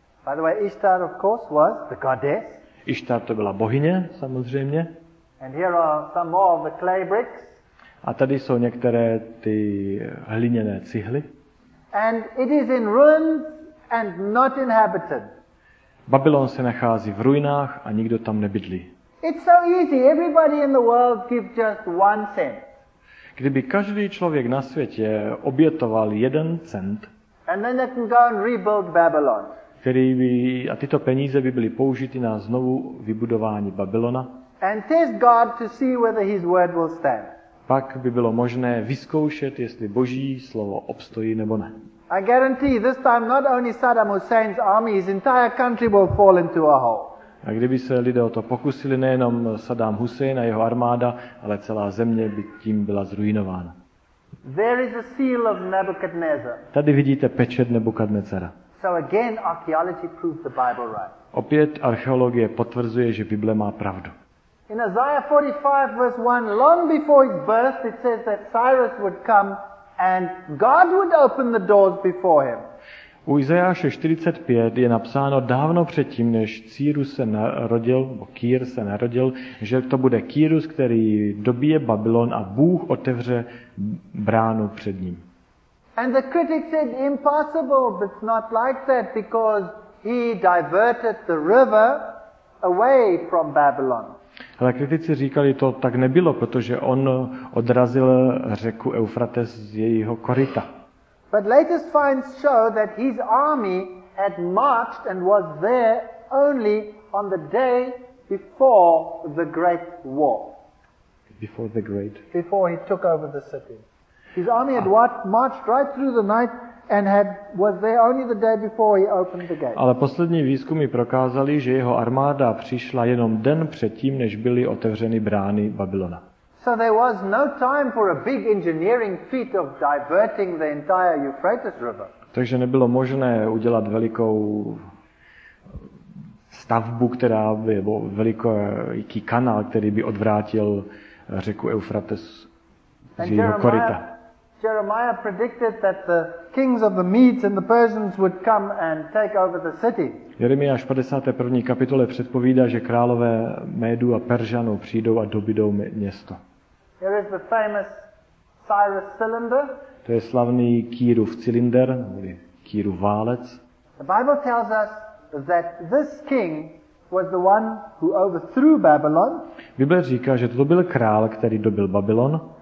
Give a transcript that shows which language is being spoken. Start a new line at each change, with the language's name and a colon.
English: By the way, Ishtar of course was the goddess.
Czech: Ištar to byla bohyně, samozřejmě.
English: And here are some more of the clay bricks.
Czech: A tady jsou některé ty hliněné cihly.
English: And it is in ruins and not inhabited.
Czech: Babylon se nachází v ruinách a nikdo tam nebydlí.
English: It's so easy. Everybody in the world give just one cent.
Czech: Kdyby každý člověk na světě obětoval jeden cent,
English: and then they can go and rebuild Babylon.
Czech: Který by, a tyto peníze by byly použity na znovu vybudování Babylona.
English: And test God to see whether his word will stand.
Czech: Pak by bylo možné vyzkoušet, jestli Boží slovo obstojí nebo ne.
English: I guarantee this time not only Saddam Hussein's army, his entire country will fall into a hole.
Czech: A kdyby se lidé o to pokusili, nejenom Saddam Hussein a jeho armáda, ale celá země by tím byla zruinována.
English: There is a seal of Nebuchadnezzar.
Czech: Tady vidíte pečet Nebukadnezara.
English: So again archaeology proves the Bible right.
Czech: Opět archeologie potvrzuje, že Bible má pravdu.
English: In Isaiah 45 verse 1, long before his birth, it says that Cyrus would come and God would open the doors before him.
Czech: U Izajáše 45 je napsáno dávno předtím, než Cyrus se narodil, nebo Kýr se narodil, že to bude Kýrus, který dobije Babylon a Bůh otevře bránu před ním.
English: And the critic said impossible, but it's not like that because he diverted the river away from Babylon.
Czech: Ale kritici říkali, to tak nebylo, protože on odrazil řeku Eufrates z jejího koryta.
English: But latest finds show that his army had marched and was there only on the day before the great war. Before the great. Before he took over the city. His army had what? Marched right through the night and had was there only the day before he opened the gate.
Czech: Ale poslední výzkumy prokázaly, že jeho armáda přišla jenom den předtím, než byly otevřeny brány Babylona.
English: So there was no time for a big engineering feat of diverting the entire Euphrates River.
Czech: Takže nebylo možné udělat velikou stavbu, která by byl veliký kanál, který by odvrátil řeku Eufrates z jeho koryta.
English: Jeremiah predicted that the kings of the Medes and the Persians would come and take over the city.
Czech: Jeremiáš 51. kapitole předpovídá, že králové Médů a Peržanů přijdou a dobydou město.
English: Here is the famous Cyrus cylinder.
Czech: To je slavný Kýrův cylinder, Kýrův válec.
English: The Bible tells us that this king was the one who overthrew Babylon.
Czech: Bible říká, že to byl král, který dobil Babylon.